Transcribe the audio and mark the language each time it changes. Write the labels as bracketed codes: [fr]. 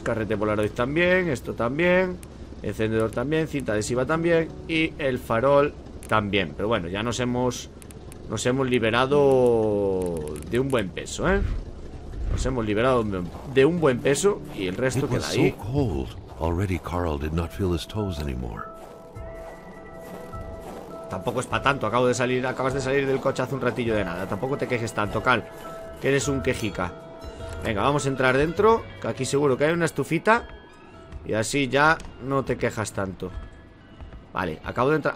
[es] Carrete Polaroid también, esto también. Encendedor también, cinta adhesiva también. Y el farol también. Pero bueno, ya nos hemos... nos hemos liberado de un buen peso, Nos hemos liberado de un buen peso. Y el resto queda ahí. [en] Already Carl did not feel his toes anymore. [es] Tampoco es para tanto, acabo de salir, acabas de salir del coche hace un ratillo de nada. Tampoco te quejes tanto, Carl, que eres un quejica. Venga, vamos a entrar dentro, que aquí seguro que hay una estufita. Y así ya no te quejas tanto. Vale, acabo de entrar...